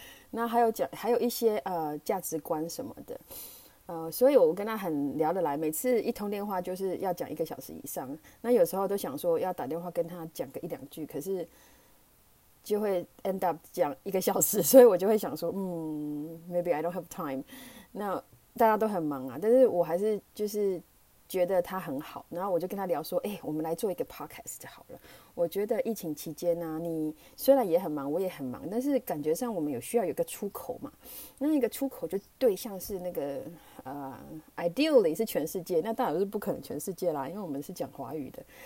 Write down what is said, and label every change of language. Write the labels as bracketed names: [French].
[Chinese] 那还有讲，还有一些价值观什么的。所以我跟她很聊得来，每次一通电话就是要讲1个小时以上。那有时候都想说要打电话跟她讲个一两句，可是。就会 [English] end up [Chinese] 讲1个小时，所以我就会想说， [English] maybe I don't have time。 [Chinese] 那大家都很忙啊，但是我还是就是觉得他很好，然后我就跟他聊说，哎，我们来做一个 podcast 好了。我觉得疫情期间呢，你虽然也很忙，我也很忙，但是感觉上我们有需要有个出口嘛。那一个出口就对象是那个ideally 是全世界，那当然是不可能全世界啦，因为我们是讲华语的。